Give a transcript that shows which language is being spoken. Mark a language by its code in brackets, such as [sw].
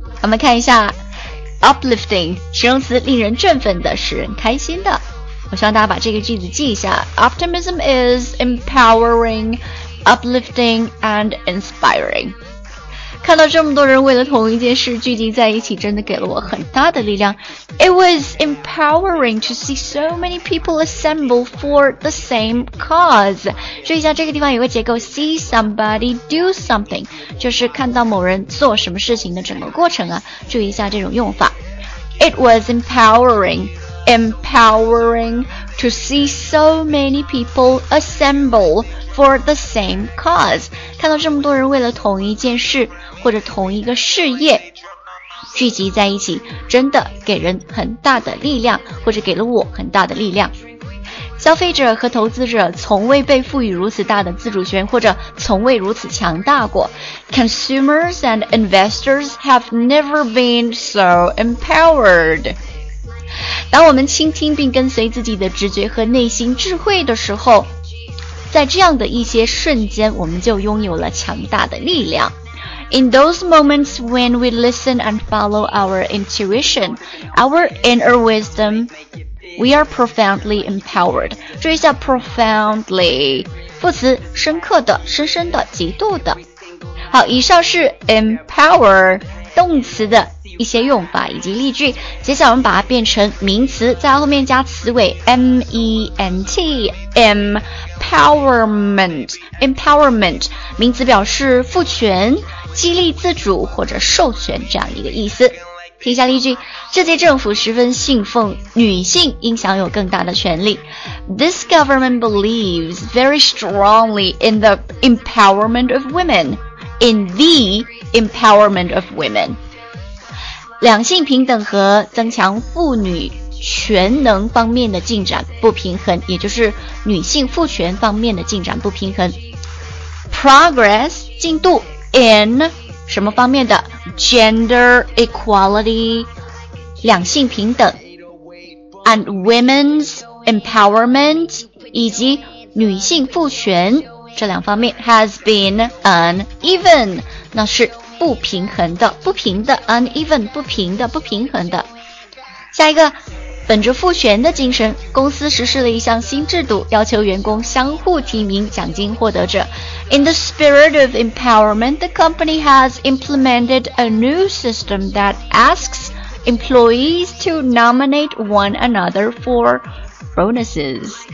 [zh] 我们看一下uplifting， 形容词，令人振奋的，使人开心的。我希望大家把这个句子记一下， [en] Optimism is empowering, uplifting and inspiring。 [zh] 看到这么多人为了同一件事聚集在一起，真的给了我很大的力量。 [en] It was empowering to see so many people assemble for the same cause。 [zh] 注意一下这个地方有个结构， [en] See somebody do something， [zh] 就是看到某人做什么事情的整个过程啊。注意一下这种用法。 [en] It was empowering to see so many people assemble for the same cause， [zh] 看到这么多人为了同一件事或者同一个事业聚集在一起，真的给人很大的力量，或者给了我很大的力量。消费者和投资者从未被赋予如此大的自主权，或者从未如此强大过。 [en] Consumers and investors have never been so empowered。 [zh] 当我们倾听并跟随自己的直觉和内心智慧的时候，在这样的一些瞬间，我们就拥有了强大的力量。 [en] In those moments when we listen and follow our intuition, our inner wisdom, we are profoundly empowered。 [zh] 注意一下 profoundly， 副词，深刻的、深深的、极度的。好，以上是 empower 动词的一些用法以及例句，接下来我们把它变成名词，在后面加词尾 ment， empowerment， 名词表示赋权、激励自主或者授权这样一个意思。听一下例句，这届政府十分信奉女性应享有更大的权利。 [en] This government believes very strongly in the empowerment of women， in the empowerment of women。 [zh] 两性平等和增强妇女全能方面的进展不平衡，也就是女性赋权方面的进展不平衡。 Progress 进度 in 什么方面的 [en] gender equality [zh] 两性平等 [en] and women's empowerment [zh] 以及女性赋权这两方面 [en] has been uneven， [zh] 那是不平衡的，不平的 uneven， 不平的，不平衡的。下一个，本着赋权的精神，公司实施了一项新制度，要求员工相互提名奖金获得者。 [en] In the spirit of empowerment, the company has implemented a new system that asks employees to nominate one another for bonuses.